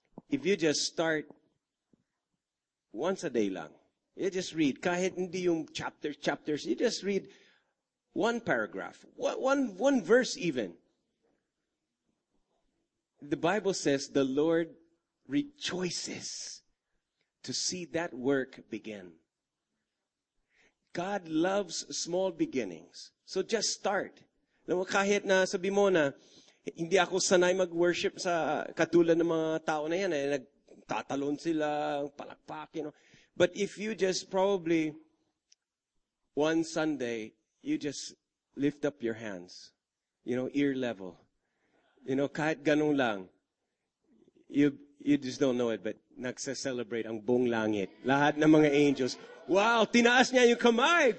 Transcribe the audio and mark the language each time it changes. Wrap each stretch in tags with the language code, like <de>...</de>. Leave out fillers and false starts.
<en>If you just start once a day lang, you just read,</en> <tl>kahit hindi yung</tl> <en>chapters, you just read one paragraph, one verse even. The Bible says the Lord rejoices to see that work begin. God loves small beginnings. So just start.</en> <tl>Kahit na sabi mo na, hindi ako sanay mag-worship sa katulad ng mga tao na yan, eh, nagtatalon sila, palakpak,</tl> <en>you know. But if you just probably, one Sunday, you just lift up your hands, you know, ear level. You know,</en> <tl>kahit ganun lang,</tl> <en>you just don't know it, but</en> <tl>nagse-celebrate ang buong langit. Lahat ng mga angels. Wow, tinaas niya yung kamay.</tl>